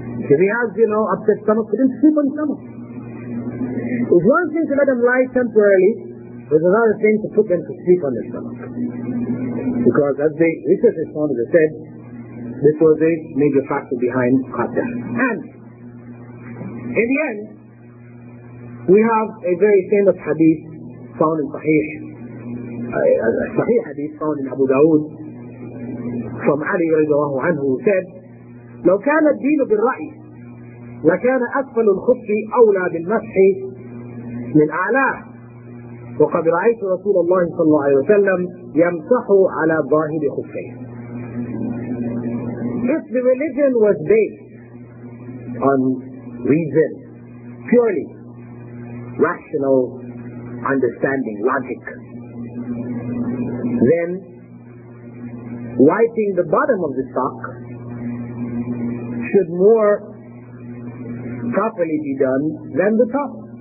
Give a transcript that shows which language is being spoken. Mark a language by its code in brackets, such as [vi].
[en] If he has, upset stomach, put him to sleep on the stomach. It was one thing to let him lie temporarily, it was another thing to put them to sleep on their stomach. Because as the researchers found, as I said, this was a major factor behind cut death. And in the end, we have a very famous hadith found in Sahih. A Sahih hadith found in Abu Dawud from Ali radiallahu anhu, who said, [ar] لو كان الدين بالرأي لكان أسفل الخف أولى بالمسح من أعلاه وقد رأيت رسول الله صلى الله عليه وسلم يمسح على ظاهر خفيه. [en] If the religion was based on reason, purely rational understanding, logic, then wiping the bottom of the sock should more properly be done than the top.